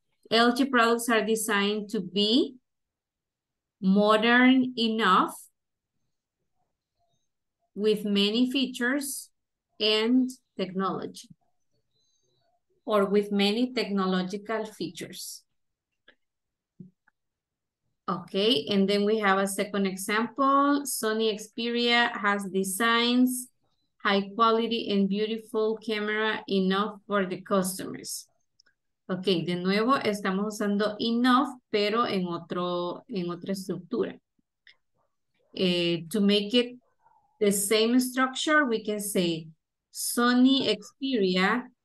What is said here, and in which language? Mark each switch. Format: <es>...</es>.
<en>LG products are designed to be modern enough with many features and technology, or with many technological features. Okay, and then we have a second example. Sony Xperia has designs high quality and beautiful camera enough for the customers.</en> <es>Okay, de nuevo estamos usando enough, pero en otra estructura.</es> <en>To make it the same structure, we can say Sony Xperia</en>